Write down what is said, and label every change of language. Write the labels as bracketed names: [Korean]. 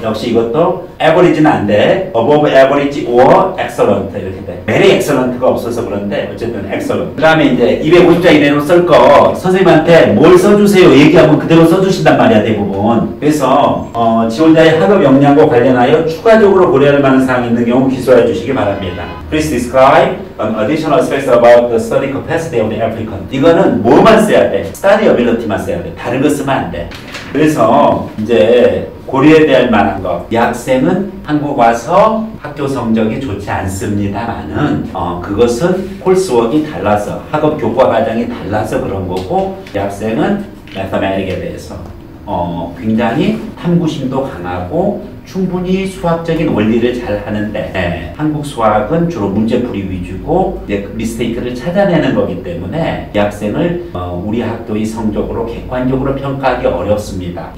[Korean] 역시 이것도 average는 안 돼. [English] Above average, or excellent. [Korean] 이렇게 돼. [English] Very excellent [Korean] 가 없어서 그런데, 어쨌든 excellent. 그 다음에 이제 250자 이내로 쓸 거. 선생님한테 뭘 써주세요 얘기하면 그대로 써주신단 말이야 대부분. 그래서 지원자의 학업 역량과 관련하여 추가적으로 고려할 만한 사항이 있는 경우 기소해 주시기 바랍니다. [English] Please describe an additional aspect about the study capacity of the applicant. [Korean] 이거는 뭐만 써야 돼? Study ability만 써야 돼. 다른 거 쓰면 안 돼. 그래서 이제 고려해야 될 만한 거. 약생은 한국 와서 학교 성적이 좋지 않습니다만은 그것은 코스웍이 달라서 학업 교과 과정이 달라서 그런 거고 약생은 매터매틱에 대해서 굉장히 탐구심도 강하고 충분히 수학적인 원리를 잘 하는데 네, 한국 수학은 주로 문제풀이 위주고 미스테이크를 찾아내는 거기 때문에 이 학생을 우리 학교의 성적으로 객관적으로 평가하기 어렵습니다.